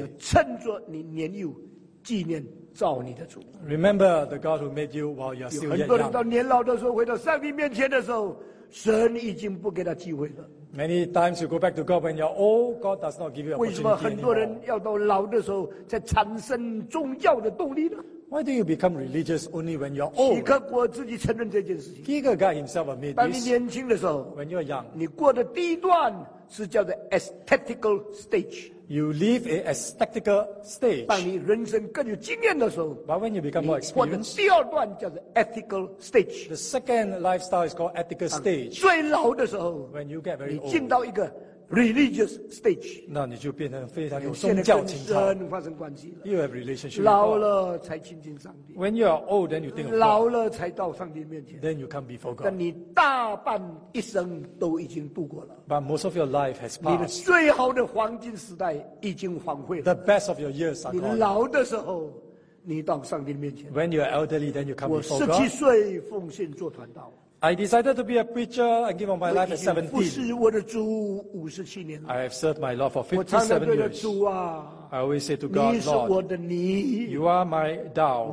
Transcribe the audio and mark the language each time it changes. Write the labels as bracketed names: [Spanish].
[Chinese] 要趁着你年幼，纪念造你的主。 [English] Remember the God who made you while you are still young. [Chinese] 很多人到年老的时候，回到上帝面前的时候，神已经不给他机会了。 [English] Many times you go back to God when you're old, God does not give you opportunity anymore. [Chinese] 为什么很多人要到老的时候才产生宗教的动力呢？ [English] Why do you become religious only when you're old? [Chinese] 希克国自己承认这件事情。 [English] He got himself admit this. [Chinese] 当你年轻的时候， [English] when you're young, [Chinese] 你过的第一段是叫做 aesthetical stage。 [English] You live an aesthetic stage. [Chinese] 当你人生更有经验的时候， [English] But when you become more experienced, [Chinese] 你过的第二段叫做 ethical stage. [English] The second lifestyle is called ethical stage. [Chinese] 最老的时候， [English] when you get very old, [Chinese] 你进到一个 religious stage. 那你就变成非常有宗教情操。现在跟神发生关系了。 [English] You have relationship. [Chinese] 老了才亲近上帝。 [English] When you are old, then you think of God. [Chinese] 老了才到上帝面前。 [English] Then you come before God. 但 [Chinese] 你大半一生都已经度过了。 [English] But most of your life has passed. [Chinese] 你的最好的黄金时代已经荒废了。 [English] The best of your years are gone. [Chinese] 你老的时候，你到上帝面前。 [English] When you are elderly, then you come before God. [Chinese] 我十七岁奉献做传道。 [English] I decided to be a preacher and give up my life at 17. I have served my Lord for 57 years. I always say to God, Lord, you are my Tao.